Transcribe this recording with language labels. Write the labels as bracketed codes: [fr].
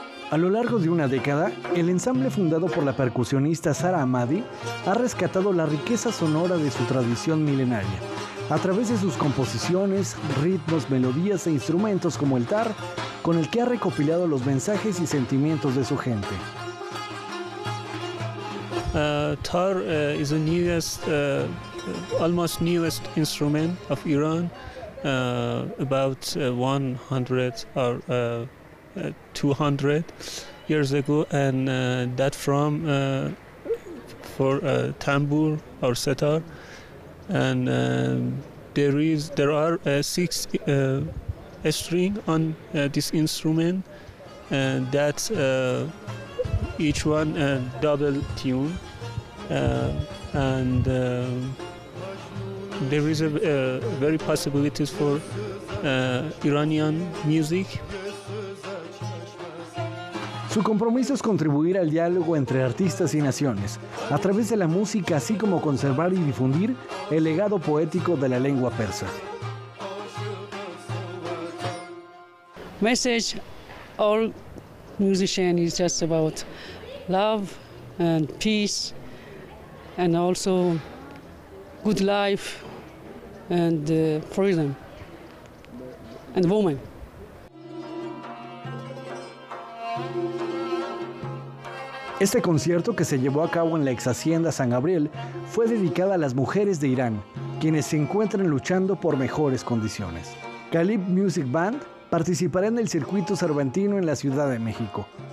[es] A lo largo de una década, el ensamble fundado por la percusionista Sara Ahmadi ha rescatado la riqueza sonora de su tradición milenaria a través de sus composiciones, ritmos, melodías e instrumentos como el tar, con el que ha recopilado los mensajes y sentimientos de su gente. [en] Tar is the newest, almost newest instrument of Iran, about 100 or 200 years ago, and that from for tambour or sitar, and there are six string on this instrument, and that each one double tune, and there is a very possibilities for Iranian music. [es] Su compromiso es contribuir al diálogo entre artistas y naciones, a través de la música, así como conservar y difundir el legado poético de la lengua persa. [en] Message all musician is just about love and peace and also good life and freedom and woman. [es] Este concierto, que se llevó a cabo en la exhacienda San Gabriel, fue dedicada a las mujeres de Irán, quienes se encuentran luchando por mejores condiciones. Calibé Music Band participará en el circuito cervantino en la Ciudad de México.